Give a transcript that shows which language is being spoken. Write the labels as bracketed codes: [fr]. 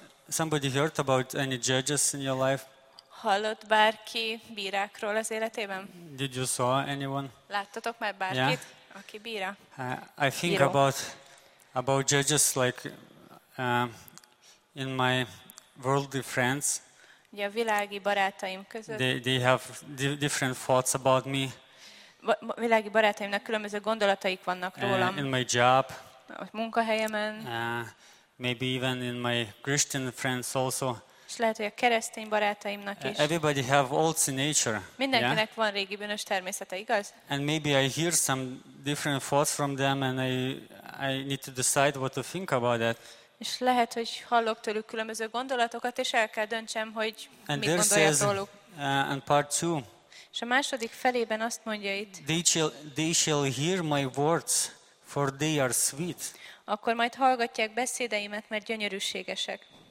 [en] Somebody heard about any judges in your life? [hu] Hallott bárki bírákról az életében? [en] Did you saw anyone? [hu] Láttatok már bárkit, yeah, aki bíra? [en] I think bíró. about judges like in my worldly friends. [hu] Ugye a világi barátaim között. [en] They have different thoughts about me. [hu] Világi barátaimnak különböző gondolataik vannak rólam. [en] In my job. [hu] A munkahelyemen. [en] Maybe even in my Christian friends also. [hu] És lehet, hogy a keresztény barátaimnak is. [en] Everybody have old nature. [hu] Mindenkinek van régi bűnös természete, igaz? [en] And maybe I hear some different thoughts from them and I need to decide what to think about that. [hu] És lehet, hogy hallok tőlük különböző gondolatokat, és el kell döntsem, hogy mit gondoljak róluk. [en] And part two. [hu] És a második felében azt mondja itt. [en] They shall hear my words, for they are sweet. [hu] Akkor majd hallgatják beszédeimet, mert gyönyörűségesek.